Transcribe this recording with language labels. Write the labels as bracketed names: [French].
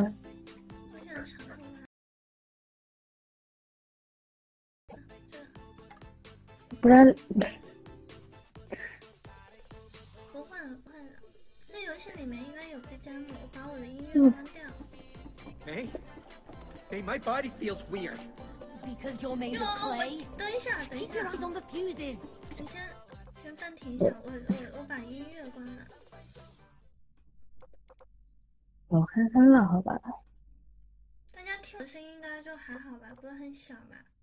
[Chinese] 我选长头发。不然。我换了换了，这游戏里面应该有 BGM， 我把我的音乐关掉。 [English] Hey, my body feels weird. Because you're made of clay. [Chinese] 等一下，等一下。 [English] Keep your eyes on the fuses. [Chinese] 你先。先暂停一下，我把音乐关了。我看看了，好吧。大家听的声音应该就还好吧，不是很小吧？